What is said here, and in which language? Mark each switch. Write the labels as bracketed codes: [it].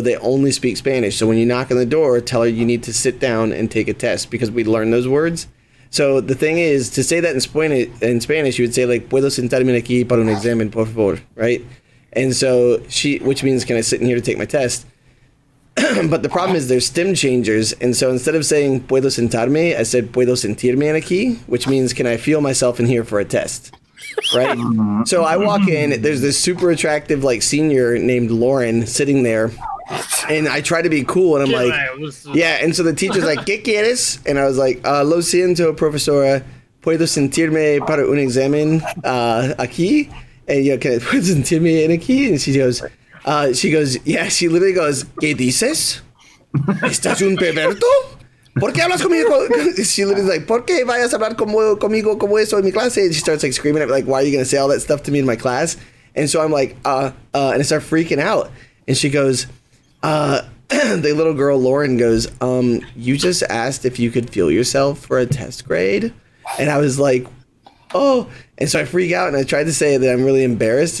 [en] They only speak Spanish. So when you knock on the door, tell her you need to sit down and take a test because we learn those words. So the thing is, to say that in Spanish, you would say, like, [es] ¿Puedo sentarme aquí para un examen, por favor? [en] Right? And so she, which means, can I sit in here to take my test? But the problem is there's stem changers. And so instead of saying, [es] ¿Puedo sentarme? [en] I said, [es] ¿Puedo sentirme aquí? [en] Which means, can I feel myself in here for a test? Right? So I walk in. There's this super attractive, like, senior named Lauren sitting there. And I try to be cool, and I'm like, yeah. And so the teacher's like, [es] ¿Qué quieres? [en] And I was like, [es] lo siento, profesora. ¿Puedo sentirme para un examen aquí? [en] And you know, [es] ¿Puedo sentirme en aquí? [en] And she goes, yeah. She literally goes, [es] ¿Qué dices? ¿Estás un perverto? ¿Por qué hablas conmigo? [en] She literally's like, [es] ¿Por qué vayas a hablar conmigo como eso en mi clase? [en] And she starts, like, screaming at me, like, why are you going to say all that stuff to me in my class? And so I'm like, and I start freaking out. And she goes, the little girl, Lauren, goes, you just asked if you could feel yourself for a test grade. And I was like, oh. And so I freak out and I tried to say that I'm really embarrassed.